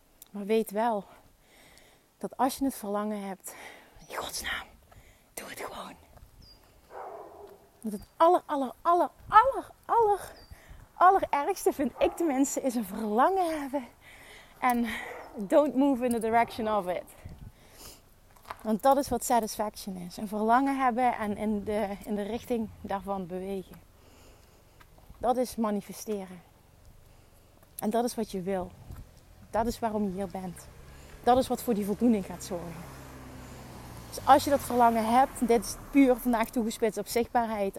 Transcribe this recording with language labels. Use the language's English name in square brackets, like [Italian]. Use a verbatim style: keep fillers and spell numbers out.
[Dutch] Maar weet wel, dat als je het verlangen hebt, in godsnaam, doe het gewoon. Want het aller, aller, aller, aller, aller, allerergste vind ik tenminste is een verlangen hebben. [English] En don't move in the direction of it. [Dutch] Want dat is wat satisfaction is. Een verlangen hebben en in de, in de richting daarvan bewegen. Dat is manifesteren. En dat is wat je wil. Dat is waarom je hier bent. Dat is wat voor die voldoening gaat zorgen. Dus als je dat verlangen hebt, dit is puur vandaag toegespitst op zichtbaarheid.